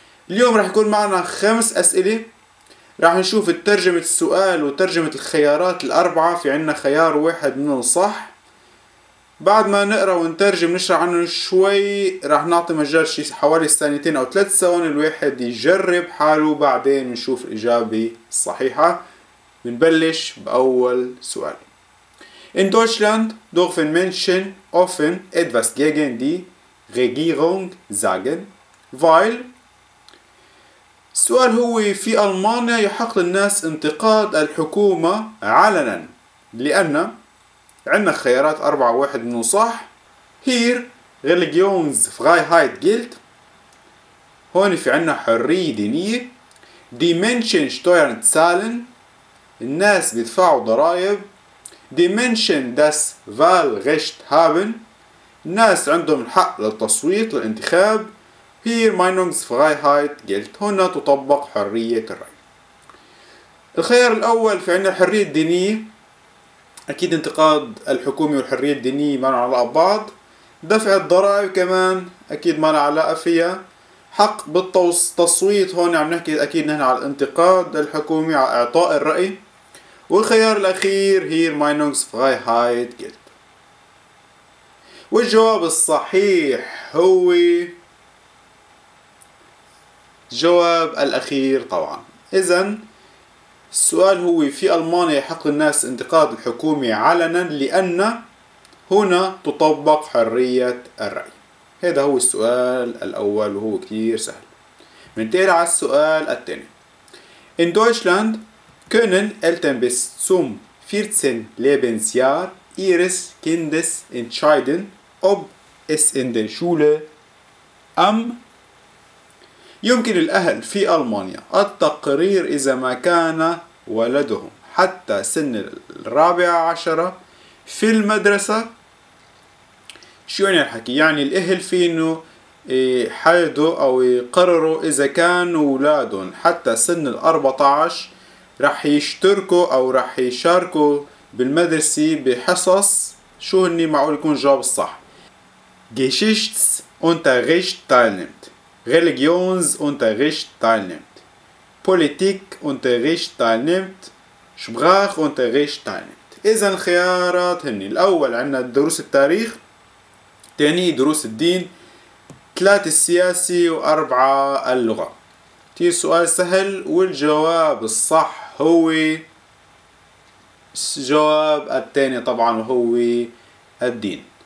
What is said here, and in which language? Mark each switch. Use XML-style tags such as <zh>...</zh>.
<ar>اليوم رح يكون معنا 5 أسئلة. راح نشوف ترجمة السؤال وترجمة الخيارات الأربعة. في عنا خيار واحد منهم صح. بعد ما نقرأ ونترجم نشرح عنه شوي، راح نعطي مجال شي حوالي ثانيتين أو 3 ثواني الواحد يجرب حاله، بعدين نشوف الإجابة الصحيحة. بنبلش بأول سؤال.</ar> <de>In Deutschland dürfen Menschen offen etwas gegen die Regierung sagen, weil.</de> <ar>السؤال هو: في ألمانيا يحق للناس انتقاد الحكومة علنا لأن. عندنا خيارات 4-1 من صح. هير</ar> <de>religions freiheit gilt،</de> <ar>هون في عندنا حرية دينية.</ar> <de>Die Menschen steuern zahlen،</de> <ar>الناس بيدفعوا ضرائب.</ar> <de>Die Menschen das Wahlrecht haben،</de> <ar>الناس عندهم الحق للتصويت للانتخاب.</ar> <de>Hier Meinungsfreiheit gilt،</de> <ar>هنا تطبق حرية الرأي. الخيار الأول في عنا الحرية الدينية، أكيد انتقاد الحكومة والحرية الدينية ما لها علاقة ببعض. دفع الضرائب كمان أكيد ما لها علاقة فيها. حق بالتصويت، هون عم نحكي أكيد نحن على انتقاد الحكومة على إعطاء الرأي. والخيار الأخير</ar> <de>Hier Meinungsfreiheit gilt،</de> <ar>والجواب الصحيح هو الجواب الأخير طبعا. إذن السؤال هو: في ألمانيا يحق للناس انتقاد الحكومة علنا لأن، هنا تطبق حرية الرأي. هذا هو السؤال الأول وهو كثير سهل. ننتقل على السؤال الثاني.</ar> <de>In Deutschland können Eltern bis zum 14 Lebensjahr ihres Kindes entscheiden ob es in der Schule am.</de> <ar>يمكن الأهل في ألمانيا التقرير إذا ما كان ولدهم حتى سن 14 في المدرسة. شو يعني الحكي؟ يعني الأهل فينو يحددوا أو يقرروا إذا كان ولادهم حتى سن 14 رح يشتركوا أو رح يشاركوا بالمدرسة بحصص. شو هني معقول يكون جواب الصح؟</ar> <de>Geschichts Unterricht teilnimmt، religions unterricht teilnimmt، politik unterricht teilnimmt، sprach unterricht teilnimmt.</de> <ar>اذا الخيارات هني: الاول عندنا دروس التاريخ، ثاني دروس الدين، ثلاثة السياسي، واربعة اللغة. تي سؤال سهل، والجواب الصح هو الجواب الثاني طبعا، هو الدين.</ar>